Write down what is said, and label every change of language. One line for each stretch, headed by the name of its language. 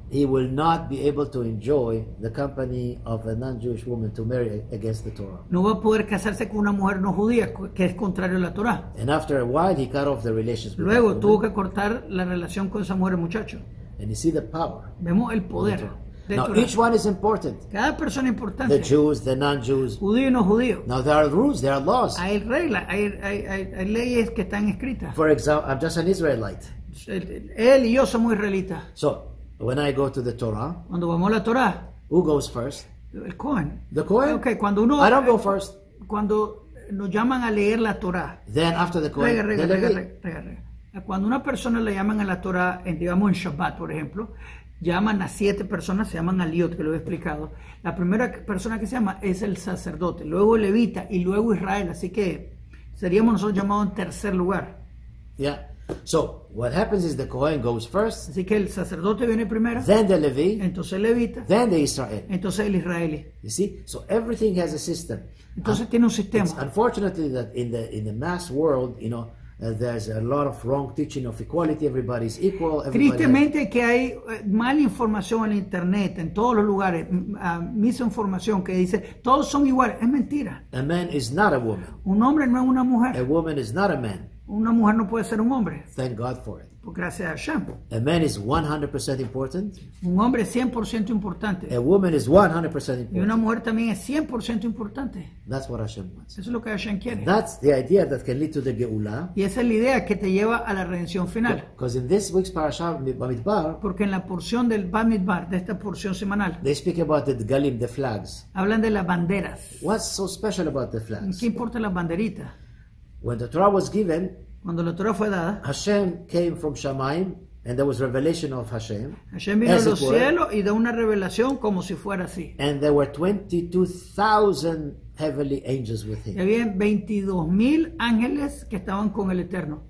English: He will not be able to enjoy the company of a non-Jewish woman to marry against the Torah.
Spanish: No va a poder casarse con una mujer no judía, que es contrario a la Torah.
English: And after a while, he cut off the relationship.
Spanish: Luego tuvo que cortar la relación con esa mujer, muchacho.
English: And you see the power.
Spanish: Vemos el poder.
English: Now each one is important.
Spanish: Cada persona importante.
English: The Jews, the non-Jews.
Spanish: Judío y no judío.
English: Now there are rules, there are laws.
Spanish: Hay reglas, hay leyes que están escritas.
English: For example, I'm just an Israelite.
Spanish: Él y yo somos israelitas.
English: So. When I go to the Torah,
Spanish: cuando vamos a la Torah,
English: who goes first?
Spanish: El Cohen.
English: The Cohen.
Spanish: Okay, cuando uno.
English: I don't go first.
Spanish: Cuando nos llaman a leer la Torah.
English: Then after the Cohen. Regga.
Spanish: Cuando una persona le llaman a la Torah, en, digamos en Shabbat, por ejemplo, llaman a siete personas, se llaman a Liot, que lo he explicado. La primera persona que se llama es el sacerdote, luego Levita y luego Israel. Así que seríamos nosotros llamados en tercer lugar.
English: Yeah. So what happens is the Kohen goes first.
Spanish: Así que el sacerdote viene primero.
English: Then the Levi.
Spanish: Entonces el Levita.
English: Then the Israel.
Spanish: Entonces el Israelí.
English: You see, so everything has a system.
Spanish: Entonces tiene un sistema.
English: It's unfortunately that in the mass world, you know, there's a lot of wrong teaching of equality. Everybody's equal.
Spanish: Tristemente que hay mala información en internet en todos los lugares, misinformación que dice todos son iguales, es mentira.
English: A man is not a woman.
Spanish: Un hombre no es una mujer.
English: A woman is not a man.
Spanish: Una mujer no puede ser un hombre.
English: Thank God for it.
Spanish: Por gracias a Hashem.
English: A man is 100% important.
Spanish: Un hombre es 100% importante.
English: A woman is 100% important.
Spanish: Y una mujer también es 100% importante.
English: That's what Hashem wants.
Spanish: Eso es lo que Hashem quiere.
English: And that's the idea that can lead to the Geula.
Spanish: Y esa es la idea que te lleva a la redención final.
English: Because in this week's parasha Bamidbar.
Spanish: Porque en la porción del Bamidbar, de esta porción semanal.
English: They speak about the Dgalim, the flags.
Spanish: Hablan de las banderas.
English: What's so special about the flags?
Spanish: ¿Qué importa las banderitas?
English: When the Torah was given,
Spanish: cuando la Torah fue dada,
English: Hashem came from Shamayim, and there was revelation of Hashem.
Spanish: Hashem vino de los cielos y da una revelación como si fuera así.
English: And there were 22,000 heavenly angels with him.
Spanish: Y había 22,000 ángeles que estaban con el Eterno.